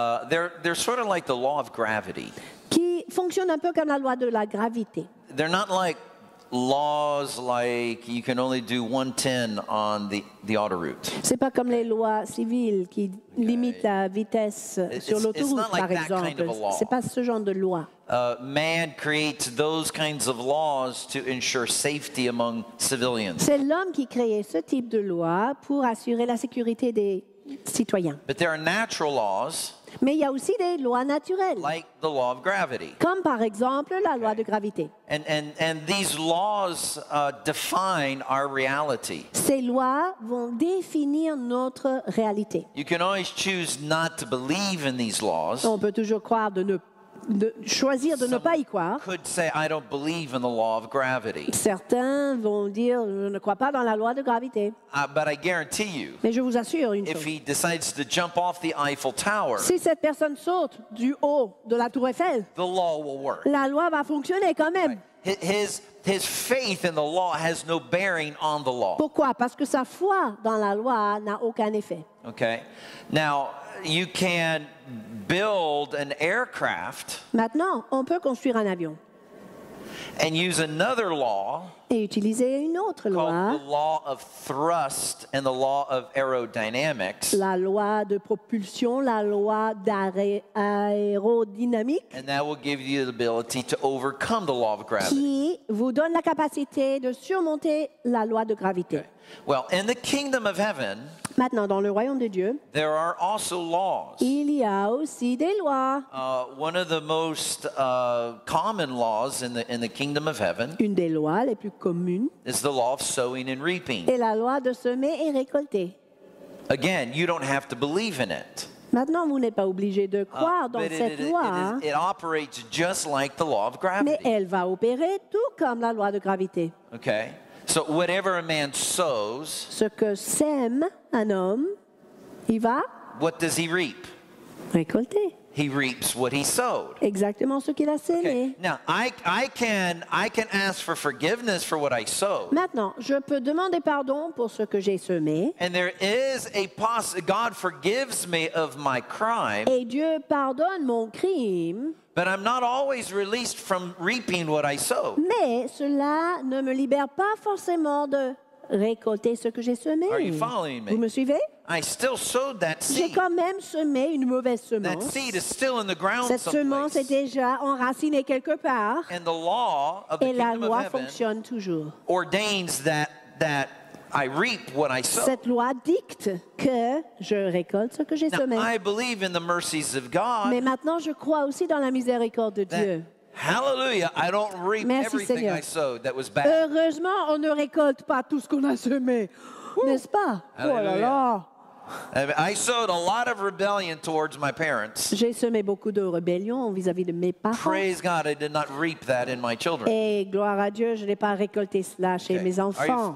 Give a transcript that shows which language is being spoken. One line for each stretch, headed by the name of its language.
English: They're sort of like the law of gravity.
French: fonctionne un peu comme la loi de la gravité.
English: They're not like laws like you can only do 110 on the autoroute.
French: C'est pas comme les lois civiles qui limitent la vitesse sur l'autoroute,
English: like,
French: par exemple.
English: Kind of
French: c'est pas ce genre de loi.
English: Man creates those kinds of laws to ensure safety among civilians.
French: C'est l'homme qui crée ce type de loi pour assurer la sécurité des citoyens.
English: But there are natural laws.
French: Mais il y a aussi des lois naturelles.
English: Like the law of gravity.
French: Comme par exemple la loi de gravité.
English: And these laws define our reality.
French: Ces lois vont définir notre réalité.
English: You can always choose not to believe in these laws.
French: On peut toujours croire de ne pas de choisir de
English: Some
French: ne pas y croire.
English: Could say, I don't believe in the law of gravity.
French: Certains vont dire, je ne crois pas dans la loi de gravité.
English: But I guarantee you,
French: mais je vous assure une
English: if
French: chose.
English: He decides to jump off the Eiffel Tower,
French: si cette personne saute du haut de la tour Eiffel,
English: the law will work.
French: La loi va fonctionner quand même.
English: Right. His faith in the law has no bearing on the law.
French: Pourquoi? Parce que sa foi dans la loi n'a aucun effet.
English: Okay. Now, you can build an aircraft.
French: Maintenant, on peut construire un avion.
English: And use another law.
French: Et utiliser une autre loi.
English: Called the law of thrust and the law of aerodynamics.
French: La loi de propulsion, la loi d'aérodynamique.
English: And that will give you the ability to overcome the law of gravity.
French: Qui vous donne la capacité de surmonter la loi de gravité.
English: Okay. Well, in the kingdom of heaven,
French: maintenant, dans le royaume de Dieu,
English: there are also laws.
French: Il y a aussi des lois.
English: One of the most common laws in the kingdom of heaven,
French: une des lois les plus communes,
English: is the law of sowing and reaping.
French: Et la loi de semer et récolter.
English: Again, you don't have to believe in it.
French: Maintenant, vous n'êtes pas obligé de croire dans cette loi.
English: It operates just like the law of gravity.
French: Mais elle va opérer tout comme la loi de gravité.
English: Okay. So whatever a man sows,
French: ce que sème un homme, il va.
English: What does he reap?
French: Récolter.
English: He reaps what he sowed.
French: Exactement ce qu'il a sémé.
English: Okay. Now I can ask for forgiveness for what I sowed.
French: Maintenant, je peux demander pardon pour ce que j'ai semé.
English: And there is a possibility God forgives me of my crime.
French: Et Dieu pardonne mon crime.
English: But I'm not always released from reaping what I sow.
French: Mais cela ne me libère pas forcément de récolter ce que j'ai semé.
English: Are you following me?
French: Vous me suivez?
English: I still sowed that seed.
French: J'ai quand même semé une mauvaise semence.
English: That seed is still in the ground
French: Cette
English: someplace.
French: Semence est déjà enracinée quelque part.
English: And the law of the
French: Et la loi fonctionne toujours.
English: Ordains that I reap what I sow.
French: Cette loi dicte que je récolte ce que j'ai semé.
English: I believe in the mercies of God.
French: Mais maintenant je crois aussi dans la miséricorde de Dieu.
English: Hallelujah, I don't reap
French: Merci
English: everything
French: Seigneur.
English: I sowed that was bad.
French: Heureusement, on ne récolte pas tout ce qu'on a semé. Ouh. N'est-ce pas?
English: Hallelujah.
French: Oh là là.
English: I sowed a lot of rebellion towards my parents.
French: J'ai semé beaucoup de rébellion vis-à-vis de mes parents.
English: Praise God, I did not reap that in my children.
French: Et gloire à Dieu, je n'ai pas récolté cela chez mes enfants.